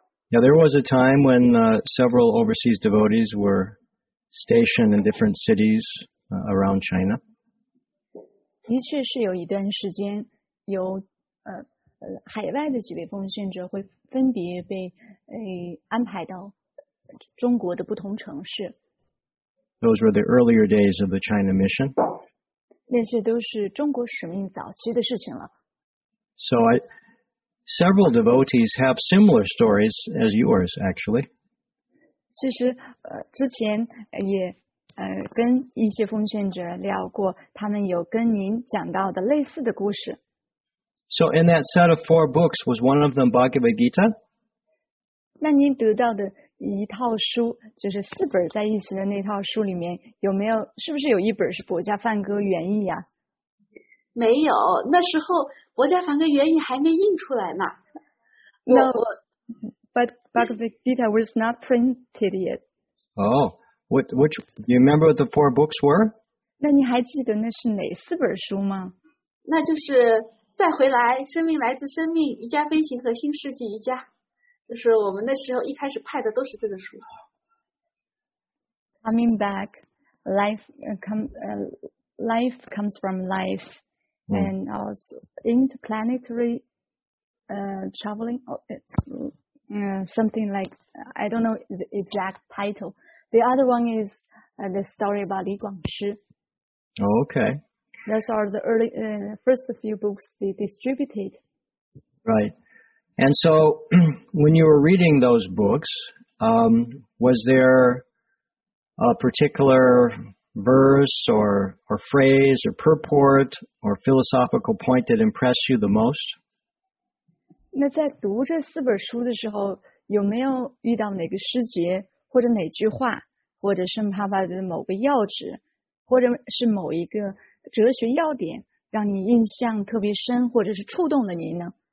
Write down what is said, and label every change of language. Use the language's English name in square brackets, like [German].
[English] Yeah, there was a time when several overseas devotees were stationed in different cities around China. [Chinese] 的确是有一段时间有海外的几位奉献者会分别被安排到中国的不同城市。 [English] Those were the earlier days of the China mission. [Chinese] 那些都是中国使命早期的事情了。 [English] So several devotees have similar stories as yours, actually. [Chinese] 其实之前也跟一些奉献者聊过，他们有跟您讲到的类似的故事。 [English] So in that set of four books, was one of them Bhagavad Gita? [Chinese] 那您得到的一套书，就是四本在一起的那套书里面，有没有，是不是有一本是博伽梵歌原译啊？没有，那时候博伽梵歌原译还没印出来呢。 [English] No, but Bhagavad Gita was not printed yet. Oh, which, do you remember what the four books were? [Chinese] 那你还记得那是哪四本书吗？那就是再回来，生命来自生命，瑜伽飞行和新世纪瑜伽，就是我们那时候一开始派的都是这个书。 [English] Coming back, life comes from life, and also interplanetary traveling. Oh, it's something like I don't know the exact title. The other one is the story about Li Guangshi. Okay. Those are the early, first few books they distributed. Right. And so, when you were reading those books, was there a particular verse or phrase or purport or philosophical point that impressed you the most? [Chinese] 那在读这四本书的时候，有没有遇到哪个诗节或者哪句话，或者圣帕帕的某个要旨，或者是某一个哲学要点让你印象特别深或者是触动了您呢？